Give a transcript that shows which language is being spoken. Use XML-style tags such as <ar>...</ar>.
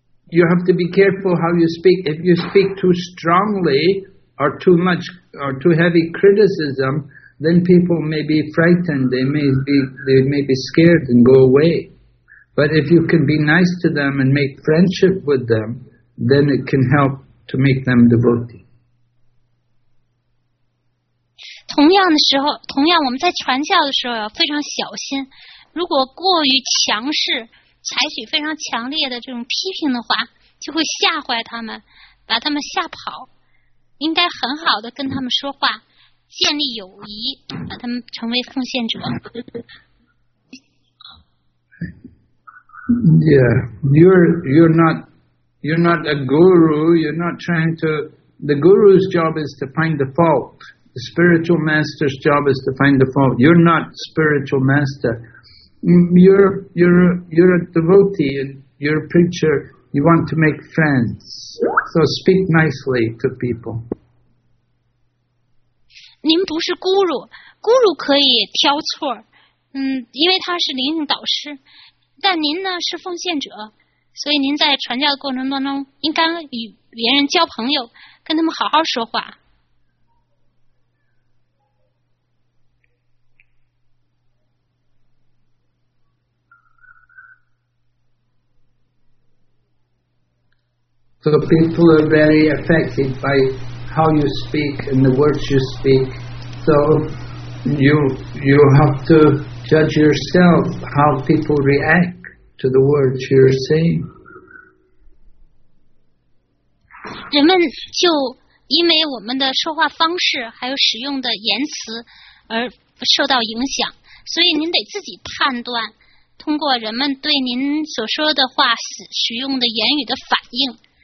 <en>You have to be careful how you speak. If you speak too strongly or too much or too heavy criticism, then people may be frightened. They may be scared and go away. But if you can be nice to them and make friendship with them, then it can help to make them devotee.</en> <zh>同样我们在传教的时候要非常小心。如果过于强势采取非常强烈的这种批评的话，就会吓坏他们，把他们吓跑。应该很好的跟他们说话，建立友谊，把他们成为奉献者。</zh> <en>Yeah, you're not a guru. You're not trying to. The guru's job is to find the fault. The spiritual master's job is to find the fault. You're not spiritual master. You're a devotee and you're a preacher. You want to make friends, so speak nicely to people.</en> <zh>您不是孤儒，孤儒可以挑错，因为他是灵性导师。但您呢是奉献者，所以您在传教的过程当中，应该与别人交朋友，跟他们好好说话。</zh> <en>So people are very affected by how you speak and the words you speak. So you have to judge yourself how people react to the words you're saying.</en> <zh>人们就因为我们的说话方式还有使用的言辞而受到影响，所以您得自己判断，通过人们对您所说的话使用的言语的反应。</zh>